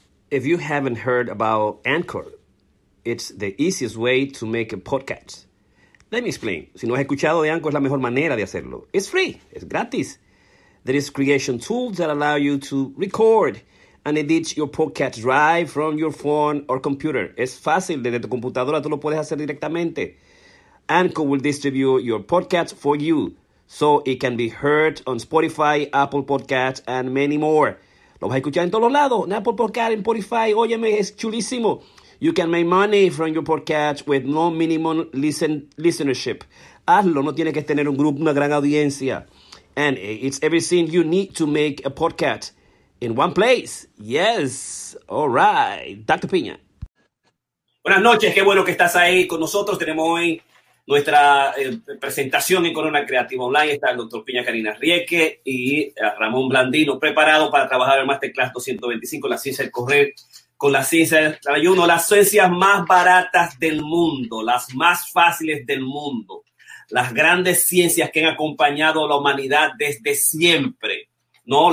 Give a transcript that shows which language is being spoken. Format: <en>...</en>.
<en>If you haven't heard about Anchor, it's the easiest way to make a podcast. Let me explain.</en> <es>Si no has escuchado de Anchor, es la mejor manera de hacerlo.</es> <en>It's free. It's gratis. There is creation tools that allow you to record and edit your podcast right from your phone or computer.</en> <es>Es fácil. Desde tu computadora tú lo puedes hacer directamente.</es> <en>Anchor will distribute your podcast for you so it can be heard on Spotify, Apple Podcasts, and many more.</en> <es>Lo vas a escuchar en todos los lados, en Apple Podcast, en Spotify. Óyeme, es chulísimo.</es> <en>You can make money from your podcast with no minimum listenership.</en> <es>Hazlo, no tienes que tener un grupo, una gran audiencia.</es> <en>And it's everything you need to make a podcast in one place. Yes, all right. Dr. Piña.</en> <es>Buenas noches, qué bueno que estás ahí con nosotros. Tenemos hoy nuestra presentación en Corona Creativa Online. Está el Dr. Piña Karina Rieke y Ramón Blandino, preparado para trabajar en Masterclass 225, la ciencia del correr, con la ciencia del ayuno, las ciencias más baratas del mundo, las más fáciles del mundo, las grandes ciencias que han acompañado a la humanidad desde siempre, ¿no?</es>